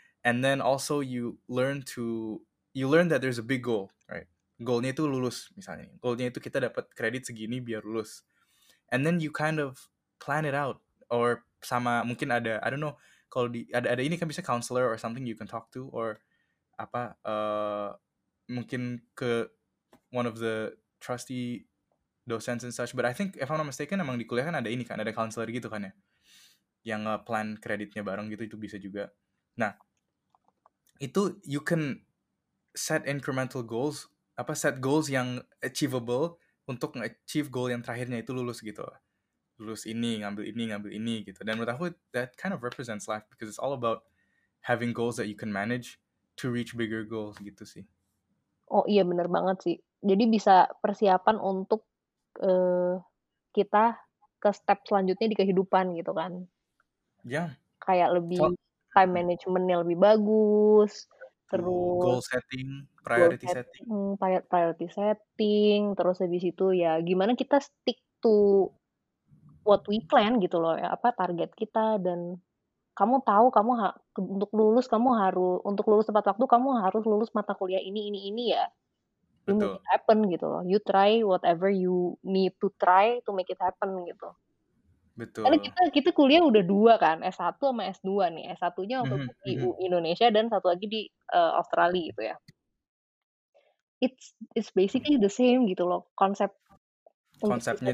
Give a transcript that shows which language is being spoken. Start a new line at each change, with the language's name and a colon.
English: And then also you learn that there's a big goal, right?
Indonesian: Goalnya itu lulus misalnya. Goalnya itu kita dapat kredit segini biar lulus.
English: And then you kind of plan it out, or
Indonesian: sama mungkin ada,
English: I don't know,
Indonesian: kalau di ada ini kan bisa
English: counselor or something you can talk to, or apa mungkin ke one of the trusty docents and such. But I think if I'm not mistaken,
Indonesian: emang di kuliah kan ada ini kan, ada counselor gitu kan ya, yang plan kreditnya bareng gitu, itu bisa juga. Nah, itu
English: you can set incremental goals,
Indonesian: apa, set goals yang achievable untuk nge-achieve goal yang terakhirnya itu lulus gitu. Lulus ini, ngambil ini gitu. Dan menurut aku
English: that kind of represents life, because it's all about having goals that you can manage to reach bigger goals gitu sih.
Indonesian: Oh iya, benar banget sih. Jadi bisa persiapan untuk kita ke step selanjutnya di kehidupan gitu kan. Ya. Yeah. Kayak lebih time management-nya lebih bagus, terus
English: goal setting, priority setting.
Indonesian: Priority setting, terus habis itu ya gimana kita
English: stick to what we plan
Indonesian: gitu loh ya, apa target kita. Dan kamu tahu kamu untuk lulus tepat waktu kamu harus lulus mata kuliah ini ya. Betul.
English: Make it happen gitu loh. You try whatever you need to try to make it happen gitu.
Indonesian: Betul. Karena kita kuliah udah dua kan, S1 sama S2 nih. S1-nya waktu di Indonesia dan satu lagi di Australia gitu ya.
English: It's basically the same gitu loh, konsepnya